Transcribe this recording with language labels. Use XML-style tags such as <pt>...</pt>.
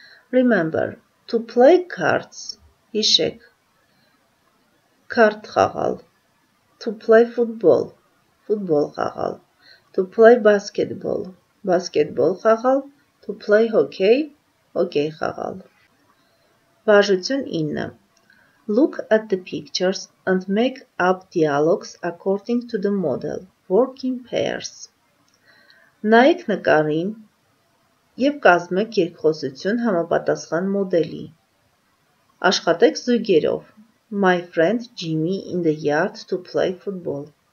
<en>Remember, to play cards,</en> <hy>հիշեք, կարդ խաղալ,</hy> <en>to play football,</en> <hy>ֆուտբոլ խաղալ,</hy> <en>to play basketball,</en> <hy>բասկետբոլ խաղալ,</hy> <en>to play hockey,</en> <hy>հոկեյ խաղալ. Վարժություն 9.</hy> <en>Look at the pictures and make up dialogues according to the model. Work in pairs.</en> <hy>Նայեք նկարին և կազմեք երկխոսություն համապատասխան մոդելի. Աշխատեք զույգերով.</hy> <en>My friend Jimmy in the yard to play football.</en>